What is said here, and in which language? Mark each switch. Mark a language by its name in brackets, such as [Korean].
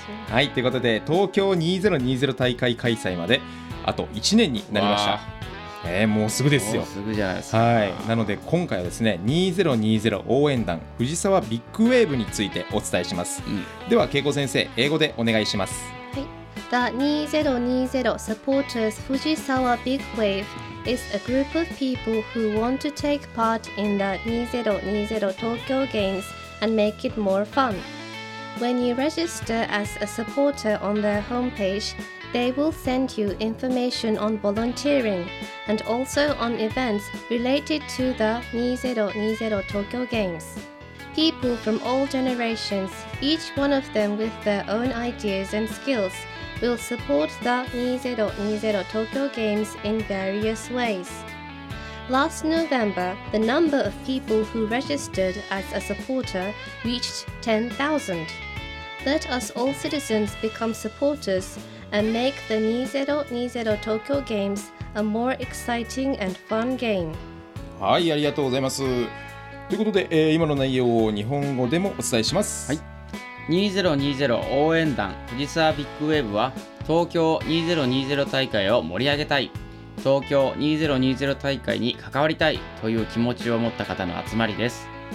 [Japanese] はい、ということで東京2020大会開催まであと1年になりました。もうすぐですよ。もうすぐじゃないですか。はい、なので今回はですね、2020応援団藤沢ビッグウェーブについてお伝えします。うん、では恵子先生、英語でお願いします。 [English] The 2020 supporters Fujisawa Big Wave is a group of people who want to take part in the 2020 Tokyo Games and make it more fun. When you register as a supporter on their homepage, they will send you information on volunteering and also on events related to the 2020 Tokyo Games. People from all generations, each one of them with their own ideas and skills, will support the 2020 Tokyo Games in various ways. Last November, the number of people who registered as a supporter reached 10,000. Let us all citizens become supporters and make the 2020 Tokyo Games a more exciting and fun game. [Japanese] はい、ありがとうございます。ということで、今の内容を日本語でもお伝えします。はい、2020応援団藤沢ビッグウェーブは東京2020大会を盛り上げたい、東京2020大会に関わりたいという気持ちを持った方の集まりです。